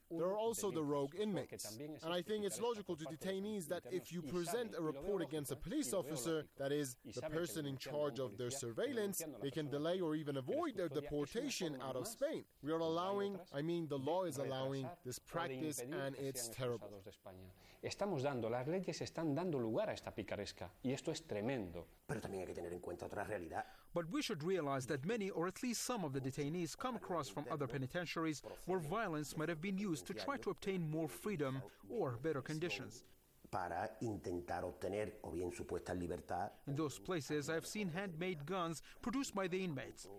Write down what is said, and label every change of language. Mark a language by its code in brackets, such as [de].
[en] There are also the rogue inmates. And I think it's logical to detainees that if you present a report against a police officer, that is, the person in charge of their surveillance, they can delay or even avoid their deportation out of Spain. We are allowing, I mean, the law is allowing this practice, and it's terrible. [es] Estamos dando, las leyes están dando lugar a esta picaresca, y esto es tremendo. Pero también hay que tener en cuenta otra realidad. [en] But we should realize that many, or at least some of the detainees, come across from other penitentiaries where violence might have been used to try to obtain more freedom or better conditions. [es] Para intentar obtener o bien supuesta libertad. [en] In those places, I've seen handmade guns produced by the inmates.